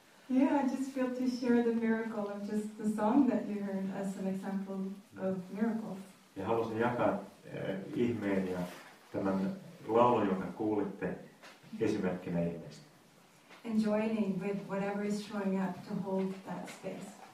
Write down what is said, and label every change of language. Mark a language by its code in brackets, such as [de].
[en] Yeah, I just feel to share the miracle of just the song that you heard as an example of miracles. [fi] Ja halusin jakaa ihmeen ja tämän laulun, jonka kuulitte esimerkkinä ihmeestä. [en] And joining with whatever is showing up to hold that space.